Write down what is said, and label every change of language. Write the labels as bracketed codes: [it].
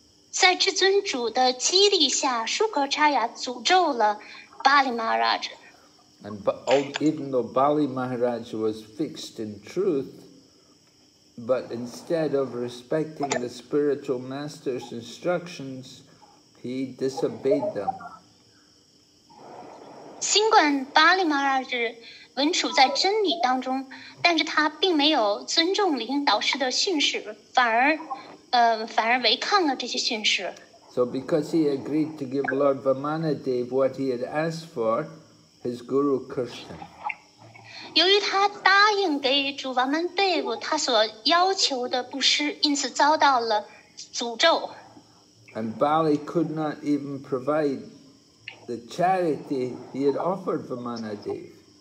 [zh] 在至尊主的激励下 ，Shukracharya 诅咒了 Bali Maharaj. [en] And even though Bali Maharaj was fixed in truth, but instead of respecting the spiritual master's instructions, he disobeyed them. [zh] 尽管巴利玛拉是文处在真理当中，但是他并没有尊重灵导师的训示，反而违抗了这些训示。 [en] So because he agreed to give Lord Vamanadeva what he had asked for, his guru cursed him. [zh] 由于他答应给主 Vamanadeva 他所要求的布施，因此遭到了诅咒。 [en] And Bali could not even provide. The charity he had offered Vamanadeva.